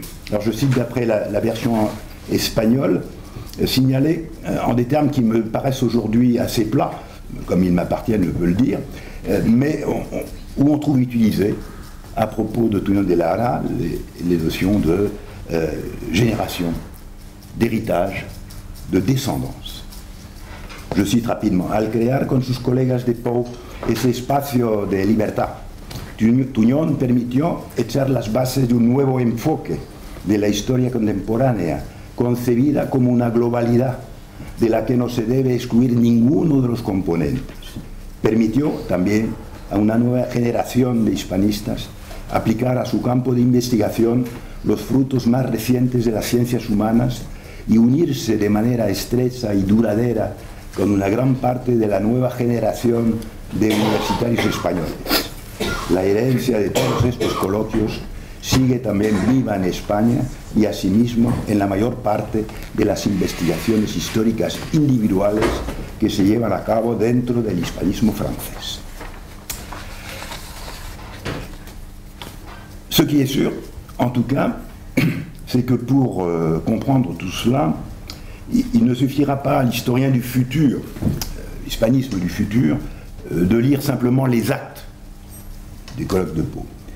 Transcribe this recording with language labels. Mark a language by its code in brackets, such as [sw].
[fr] Alors je cite d'après la version espagnole, signalée en des termes qui me paraissent aujourd'hui assez plats, comme ils m'appartiennent, je peux le dire, mais où on trouve utilisé à propos de Toñón de Lara, les notions de génération, d'héritage, de descendance. Je cite rapidement, [es] al crear con sus colegas de Pau ese espacio de libertad, Toñón permitió echar las bases de un nuevo enfoque de la historia contemporánea, concebida como una globalidad, de la que no se debe excluir ninguno de los componentes. permitió también a una nueva generación de hispanistas aplicar a su campo de investigación los frutos más recientes de las ciencias humanas y unirse de manera estrecha y duradera con una gran parte de la nueva generación de universitarios españoles. La herencia de todos estos coloquios sigue también viva en España y asimismo en la mayor parte de las investigaciones históricas individuales que se llevan a cabo dentro del hispanismo francés. [fr] Ce qui est sûr, en tout cas, c'est que pour comprendre tout cela, il ne suffira pas à l'historien du futur, l'hispanisme du futur, de lire simplement les actes des colloques de Pau.